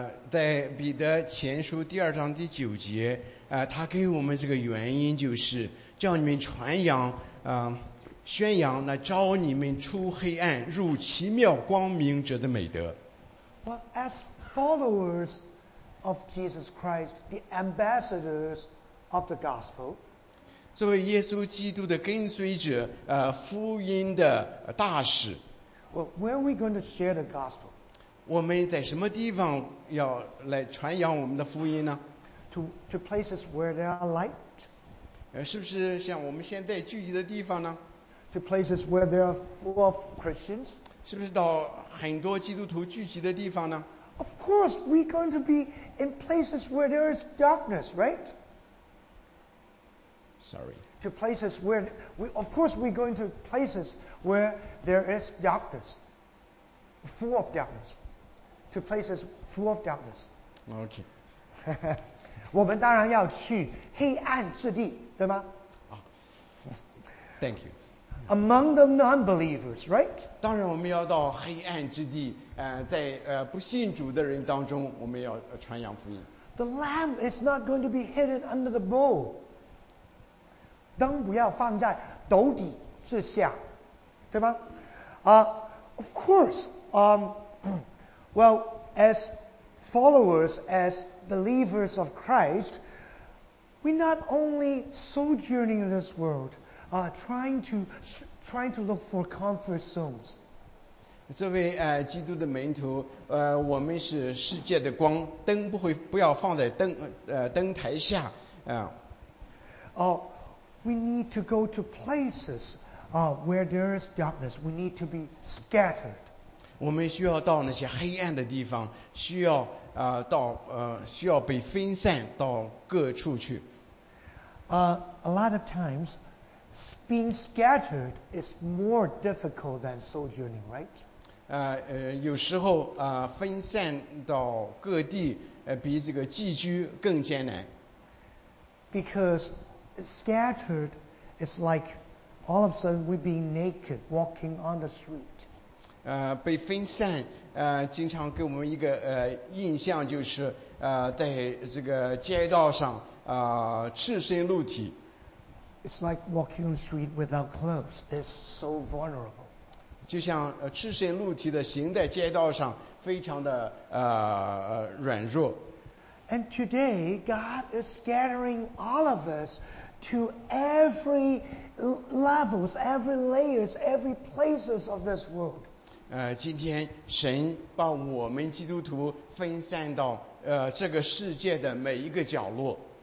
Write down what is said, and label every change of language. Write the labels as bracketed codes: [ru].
[zh] 在彼得前书第二章第九节，他给我们这个原因就是叫你们传扬，宣扬那招你们出黑暗入奇妙光明者的美德。 [en] Well, as followers of Jesus Christ, the ambassadors of the gospel, [zh] 作为耶稣基督的跟随者，福音的大使。 [en] Well, where are we going to share the gospel? [zh] 我们在什么地方要来传扬我们的福音呢？ [en] To places where there are light. [zh] 是不是像我们现在聚集的地方呢？ [en] To places where there are full of Christians. [zh] 是不是到很多基督徒聚集的地方呢？ [en] Of course, we're going to be in places where there is darkness, right? Sorry. To places where, of course, we're going to places where there is darkness. Full of darkness. To places full of darkness. Okay. [zh] 我们当然要去黑暗之地，对吗？ [en] Thank you. Among the non-believers, right? [zh] 当然我们要到黑暗之地，在不信主的人当中，我们要传扬福音。 [en] The lamb is not going to be hidden under the bowl. [zh] 灯不要放在斗底之下，对吗？ [en] Of course, well, as followers, as believers of Christ, we're not only sojourning in this world, trying to look for comfort zones. [zh] 作为基督的门徒，我们是世界的光，灯不要放在灯台下。 [en] We need to go to places where there is darkness. We need to be scattered. [zh] 我们需要到那些黑暗的地方，需要到需要被分散到各处去。 [en] A lot of times, being scattered is more difficult than sojourning, right? [zh] 有时候分散到各地，比这个寄居更艰难。 [en] Because scattered is like all of a sudden we being naked walking on the street. [zh] 被分散经常给我们一个印象就是在这个街道上赤身露体。 [en] It's like walking on the street without clothes. It's so vulnerable. [zh] 就像赤身露体的行在街道上，非常的软弱。 [en] And today, God is scattering all of us to every levels, every layers, every places of this world. [zh] 今天神把我们基督徒分散到这个世界的每一个角落。